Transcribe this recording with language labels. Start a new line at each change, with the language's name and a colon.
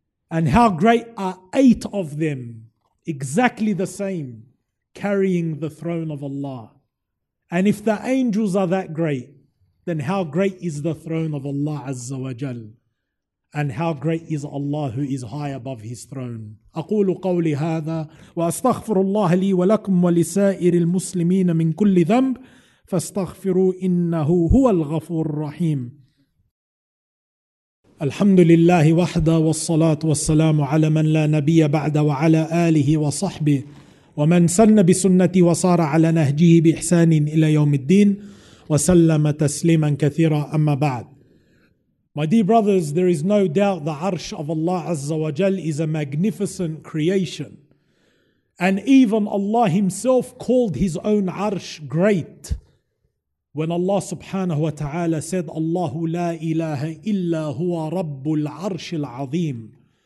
English: And how great are eight of them, exactly the same, carrying the throne of Allah? And if the angels are that great, then how great is the throne of Allah Azza wa Jal? And how great is Allah who is high above his throne?
Arabic: أقول قولي هذا وأستغفر الله لي ولكم ولسائر المسلمين من كل ذنب فاستغفروا إنه هو الغفور الرحيم. الحمد لله وحده والصلاة والسلام على من لا نبي بعد وعلى آله وصحبه ومن سن بسنته وصار على نهجه بإحسان إلى يوم الدين وسلم تسليما كثيرا أما بعد.
English: My dear brothers, there is no doubt the arsh of Allah Azza wa Jal is a magnificent creation. And even Allah himself called his own arsh great. When Allah subhanahu wa ta'ala said, Allahu la ilaha illa huwa rabbul arshil azim.